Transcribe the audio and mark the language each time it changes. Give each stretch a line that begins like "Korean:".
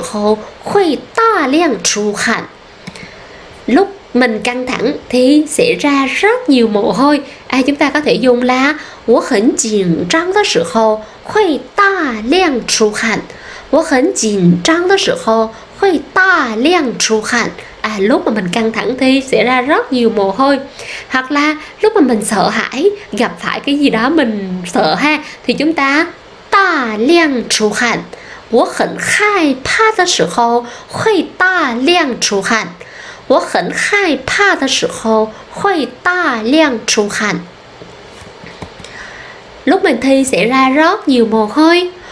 Chinese: 你做什么事情的时候会大量出汗.
Vietnamese: Lúc mình căng thẳng thì sẽ ra rất nhiều mồ hôi. Chúng ta có thể dùng là
Chinese: 我很紧张的时候会大量出汗. 我很紧张的时候会大量出汗.
Vietnamese: Lúc mà mình căng thẳng thì sẽ ra rất nhiều mồ hôi. Hoặc là lúc mà mình sợ hãi, gặp phải cái gì đó mình sợ ha, thì chúng ta 大量出汗.
Chinese: 我很害怕的时候会大量出汗. 我很害怕的时候会大量出汗.
Vietnamese: Lúc mình thi sẽ ra rất nhiều mồ hôi.